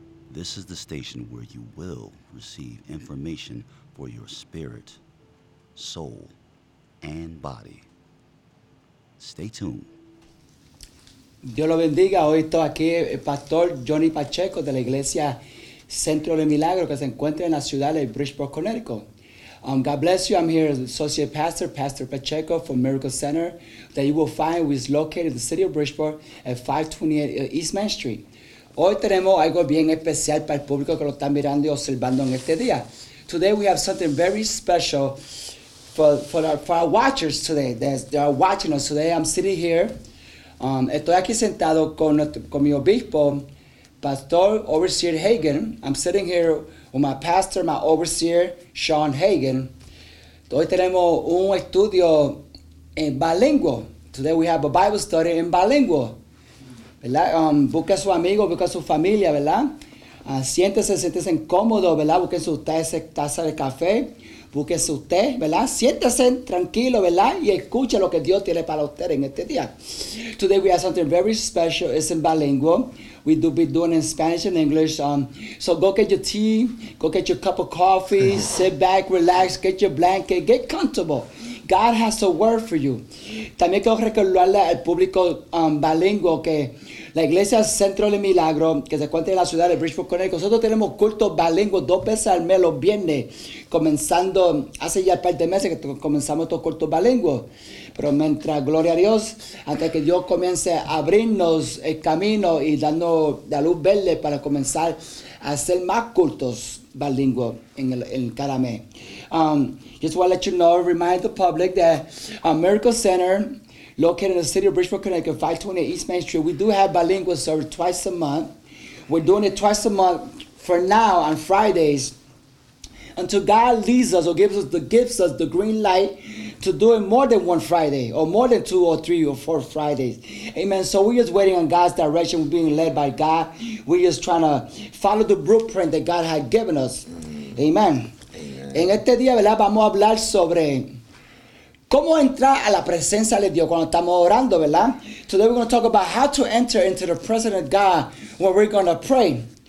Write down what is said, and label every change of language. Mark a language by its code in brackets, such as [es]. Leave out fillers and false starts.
[en] This is the station where you will receive information for your spirit, soul, and body. Stay tuned. [es] Dios lo bendiga. Hoy estoy aquí el Pastor Johnny Pacheco de la Iglesia Centro de Milagro que se encuentra en la ciudad de Bridgeport, Connecticut. [en] God bless you. I'm here as Associate Pastor, Pastor Pacheco from Miracle Center that you will find is located in the city of Bridgeport at 528 East Main Street. [es] Hoy tenemos algo bien especial para el público que lo está mirando y observando en este día. [en] Today we have something very special for our watchers today that are watching us. Today I'm sitting here. [es] Estoy aquí sentado con mi obispo, Pastor Overseer Hagen. [en] I'm sitting here with my pastor, my overseer, Sean Hagen. [es] Hoy tenemos un estudio en bilingüe. [en] Today we have a Bible study in bilingüe. ¿Verdad? [es] Busque a su amigo, busque a su familia, ¿verdad? Siéntese incómodo, ¿verdad? Busque su taza de café. Busque su té, ¿verdad? Siéntese tranquilo, ¿verdad? Y escuche lo que Dios tiene para usted en este día. [en] Today we have something very special. It's in bilingual. We do be doing in Spanish and English. So go get your tea. Go get your cup of coffee. Sit back, relax. Get your blanket. Get comfortable. God has a word for you. [es] También quiero recordarle al público bilingüe que la iglesia Centro del Milagro, que se encuentra en la ciudad de Bridgeport, Connecticut, nosotros tenemos culto bilingüe dos veces al mes los viernes, comenzando hace ya un par de meses que comenzamos estos cultos bilingüe. Pero mientras, gloria a Dios, antes que Dios comience a abrirnos el camino y darnos la luz verde para comenzar a hacer más cultos bilingüe en cada mes. [en] Just want to let you know, remind the public that Miracle Center, located in the city of Bridgeport, Connecticut, 528 East Main Street, we do have bilingual service twice a month. We're doing it twice a month for now on Fridays until God leads us or gives us the green light to do it more than one Friday or more than two or three or four Fridays. Amen. So we're just waiting on God's direction. We're being led by God. We're just trying to follow the blueprint that God had given us. [es] Amen. En este día, ¿verdad? Vamos a hablar sobre cómo entrar a la presencia de Dios cuando estamos orando, ¿verdad? [en] Today we're going to talk about how to enter into the presence of God when we're going to pray.